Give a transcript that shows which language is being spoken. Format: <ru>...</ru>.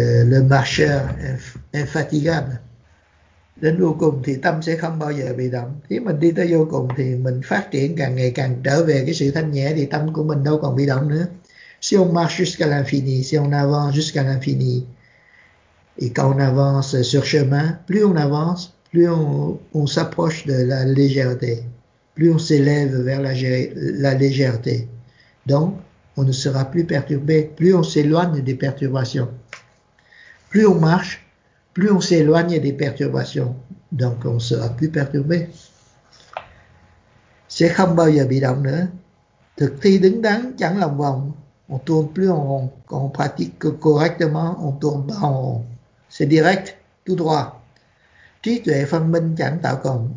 <fr>Le marcheur infatigable.</fr> <vi>Đến vô cùng thì tâm sẽ không bao giờ bị động. Nếu mình đi tới vô cùng thì mình phát triển càng ngày càng trở về cái sự thanh nhẹ thì tâm của mình đâu còn bị động nữa.</vi> <fr>Si on marche jusqu'à l'infini, si on avance jusqu'à l'infini, et quand on avance sur chemin, plus on avance, plus on s'approche de la légèreté, plus on s'élève vers la légèreté. Donc, on ne sera plus perturbé, plus on s'éloigne des perturbations. Plus on marche, plus on s'éloigne des perturbations, donc on sera plus perturbé. C'est</fr> <vi>không bao giờ bị động nữa. Thực thi đứng đắn chẳng lòng vòng.</vi> <fr>On tourne plus en rond. Quand on pratique correctement, on tourne pas en rond. C'est direct, tout droit.</fr> <vi>Trí tuệ phân minh chẳng tạo cồng.</vi>